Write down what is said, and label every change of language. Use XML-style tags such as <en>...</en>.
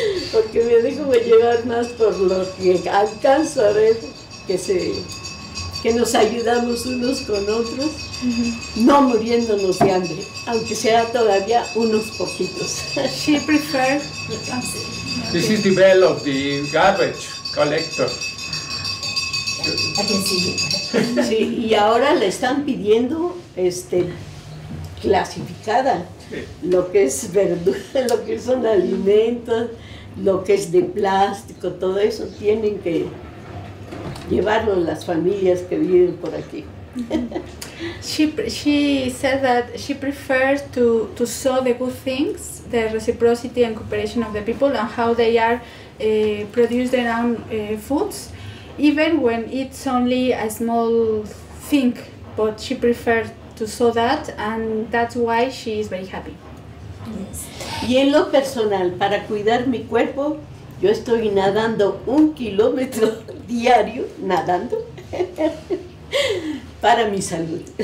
<es>Porque me dejo llevar más por lo que alcanzo a ver, que nos ayudamos unos con otros, no muriéndonos de hambre, aunque sea todavía unos poquitos.</es> <en>She prefers. This is the bell of the garbage collector.</en> <es>Sí, y ahora le están pidiendo clasificada, sí. Lo que es verdura, lo que son alimentos, lo que es de plástico, todo eso tienen que llevarlo las familias que viven por aquí.</es> <en>She said that she prefers to sow the good things, the reciprocity and cooperation of the people and how they are produce their own foods, even when it's only a small thing, but she prefers to sow that, and that's why she is very happy.</en> <es>Yes. Y en lo personal, para cuidar mi cuerpo, yo estoy nadando 1 kilómetro diario, nadando, para mi salud.</es>